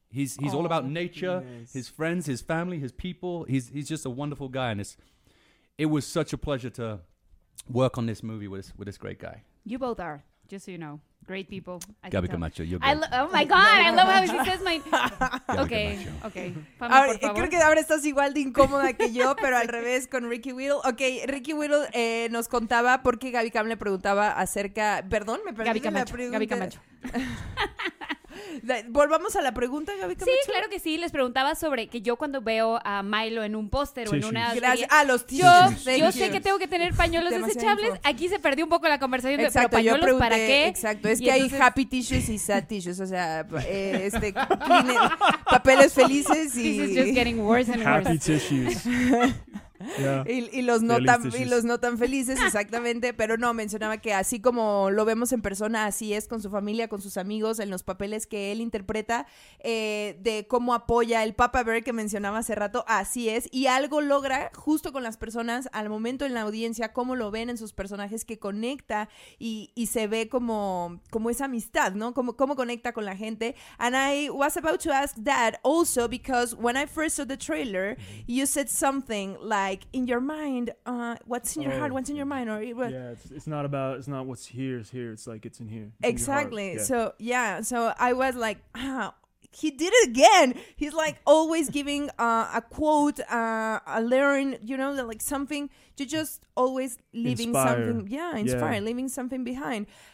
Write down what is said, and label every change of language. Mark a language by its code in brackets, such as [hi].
[en] He's all about nature, goodness. His friends, his family, his people. He's just a wonderful guy, and it was such a pleasure to work on this movie with this great guy. You both are, just so you know, great people. Gabby Camacho, you're good. Oh my God, I love how she says my. Okay. [es] Fama, ahora, por favor. Creo que ahora estás igual de incómoda que yo, pero al revés con Ricky Whittle. Okay, Ricky Whittle nos contaba por qué Gabby Cam le preguntaba acerca. Perdón, me perdí. Gabby Camacho. Volvamos a la pregunta, Gabby Camacho. Sí, claro que sí. Les preguntaba sobre que yo cuando veo a Milo en un póster o en una... Gracias. A los tíos. Yo sé que tengo que tener pañuelos desechables. Aquí se perdió un poco la conversación. Exacto, pero pañuelos, yo pregunté, ¿para qué? Exacto, es que entonces... hay [en] happy tissues [es] y [en] sad tissues. [es] O sea, cleaner, papeles felices y... [en] This is just getting worse and happy Happy tissues. [es] Yeah. Y los no tan felices, exactamente. Pero no, mencionaba que así como lo vemos en persona, así es con su familia, con sus amigos, en los papeles que él interpreta, de cómo apoya el Papa Bear que mencionaba hace rato, así es. Y algo logra justo con las personas al momento en la audiencia, cómo lo ven en sus personajes, que conecta y se ve como esa amistad, ¿no? Cómo conecta con la gente. [en] And I was about to ask that also because when I first saw the trailer, you said something like in your mind, what's in your heart, what's in your mind, or what? Yeah, it's not what's here is here, it's like it's in here, it's exactly in your heart. Yeah. So I was like, he did it again, he's like always giving a quote, a learn, you know, like something to just always leaving leaving something behind.